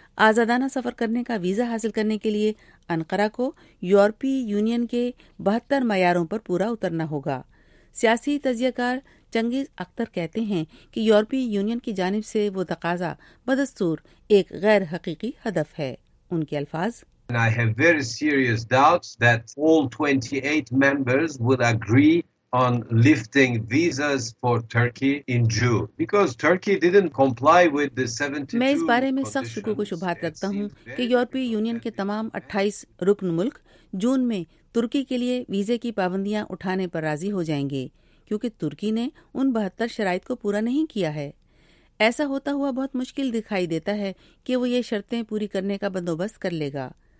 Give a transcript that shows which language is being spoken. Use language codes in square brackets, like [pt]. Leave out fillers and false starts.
[ur] آزادانہ سفر کرنے کا ویزا حاصل کرنے کے لیے انقرہ کو یورپی یونین کے 72 معیاروں پر پورا اترنا ہوگا۔ سیاسی تجزیہ کار چنگیز اختر کہتے ہیں کہ یورپی یونین کی جانب سے وہ تقاضا بدستور ایک غیر حقیقی ہدف ہے۔ ان کے الفاظ، [en] I have very serious doubts that all 28 members would agree on lifting visas for Turkey in June because Turkey didn't comply with the 72 [ur] میں اس بارے میں سخت شکوک کو شبہات رکھتا ہوں کہ یورپی یونین کے تمام 28 رکن ملک جون میں ترکی کے لیے ویزے کی پابندیاں اٹھانے پر راضی ہو جائیں گے، کیونکہ ترکی نے ان 72 شرائط کو پورا نہیں کیا ہے۔ ایسا ہوتا ہوا بہت مشکل دکھائی دیتا ہے کہ وہ یہ شرطیں پوری کرنے کا بندوبست کر لے گا۔